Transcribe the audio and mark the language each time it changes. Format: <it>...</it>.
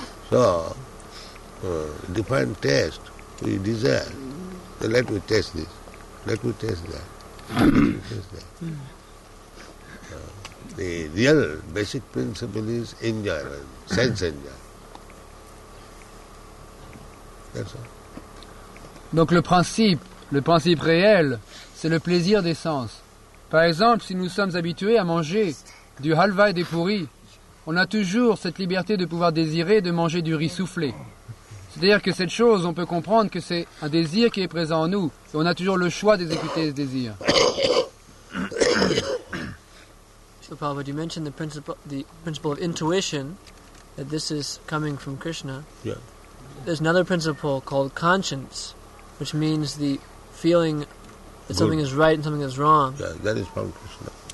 <en>So, different taste we desire. So let me taste this. Let me taste that. The real basic principle is enjoyment, sense enjoyment. That's all.</en> <fr>Donc le principe réel, c'est le plaisir des sens. Par exemple, si nous sommes habitués à manger du halva et des pourris, on a toujours cette liberté de pouvoir désirer de manger du riz soufflé. C'est-à-dire que cette chose, on peut comprendre que c'est un désir qui est présent en nous, et on a toujours le choix d'exécuter ce désir.</fr> <en>So, Prabhupada, you mentioned the principle of intuition, that this is coming from Krishna. Yeah. There's another principle called conscience, which means the feeling that good. Something is right and something is wrong. Yeah, that is from Krishna.</en>